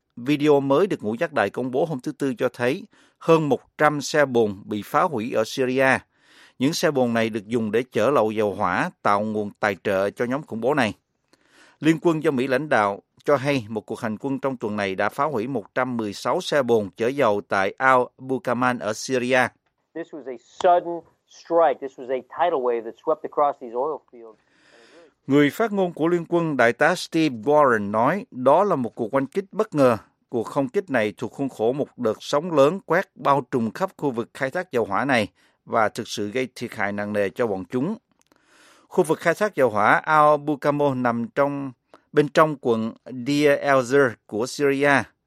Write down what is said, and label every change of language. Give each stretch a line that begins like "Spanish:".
Vietnamese: Video mới được Ngũ Giác Đài công bố hôm thứ Tư cho thấy hơn 100 xe bồn bị phá hủy ở Syria. Những xe bồn này được dùng để chở lậu dầu hỏa tạo nguồn tài trợ cho nhóm khủng bố này. Liên quân do Mỹ lãnh đạo cho hay một cuộc hành quân trong tuần này đã phá hủy 116 xe bồn chở dầu tại Al Bukaman ở Syria.
English: This was a sudden strike. This was a tidal wave that swept across these oil fields.
Vietnamese: Người phát ngôn của Liên quân Đại tá Steve Warren nói đó là một cuộc oanh kích bất ngờ. Cuộc không kích này thuộc khuôn khổ một đợt sóng lớn quét bao trùm khắp khu vực khai thác dầu hỏa này và thực sự gây thiệt hại nặng nề cho bọn chúng. Khu vực khai thác dầu hỏa Al Bukamo nằm bên trong quận Deir el-Zor của Syria.